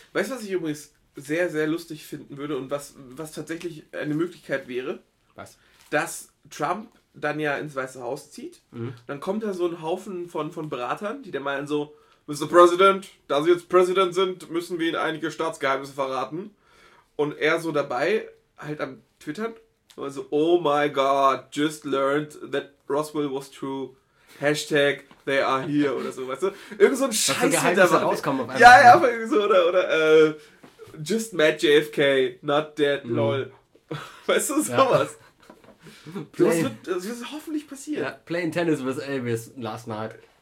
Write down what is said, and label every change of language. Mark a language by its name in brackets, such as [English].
[German] Weißt du, was ich übrigens sehr, sehr lustig finden würde und was tatsächlich eine Möglichkeit wäre? Was? Dass Trump dann ja ins Weiße Haus zieht, dann kommt da so ein Haufen von Beratern, die dann meinen so, Mr. President, da Sie jetzt Präsident sind, müssen wir Ihnen einige Staatsgeheimnisse verraten. Und er so dabei, halt am Twittern, so, [English] oh my god, just learned that Roswell was true. [German] Hashtag, [English] they are here, [German] oder so, weißt du? Irgend so ein Scheiß hinter mir. Rauskommen auf einmal. Ja, irgendwie so, oder, [English] just met JFK, not dead, lol. [German] Weißt du, sowas. Ja. Das wird hoffentlich passieren. Ja, [English] playing tennis with Elvis last night.